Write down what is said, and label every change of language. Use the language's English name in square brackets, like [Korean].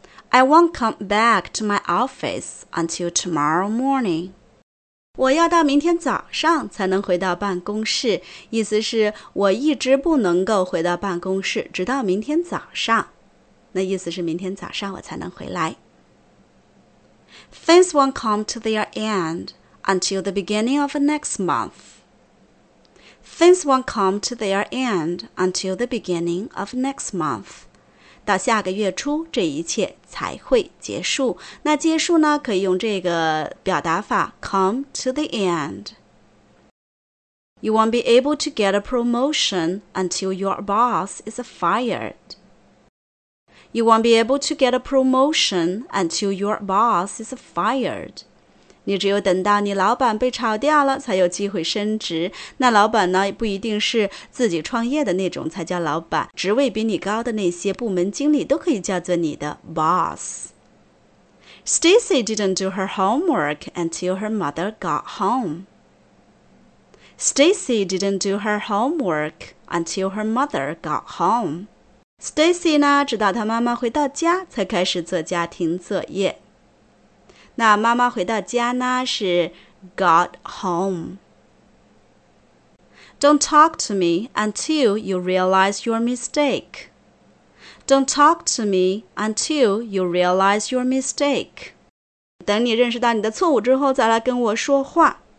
[English] I won't come back to my office until tomorrow morning. [Chinese] 我要到明天早上才能回到办公室，意思是我一直不能够回到办公室，直到明天早上。那意思是明天早上我才能回来。 [English] Things won't come to their end until the beginning of next month. Things won't come to their end until the beginning of next month. [Chinese] 到下个月初，这一切才会结束。那结束呢，可以用这个表达法 come to the end. [English] You won't be able to get a promotion until your boss is fired. You won't be able to get a promotion until your boss is fired. [Chinese] 你只有等到你老板被炒掉了，才有机会升职。那老板呢，不一定是自己创业的那种才叫老板，职位比你高的那些部门经理都可以叫做你的 boss。 [English] Stacy didn't do her homework until her mother got home. Stacy didn't do her homework until her mother got home. [Chinese] Stacy 呢，直到她妈妈回到家才开始做家庭作业。那妈妈回到家呢是 got home。 [English] Don't talk to me until you realize your mistake. Don't talk to me until you realize your mistake. [Chinese] 等你认识到你的错误之后再来跟我说话。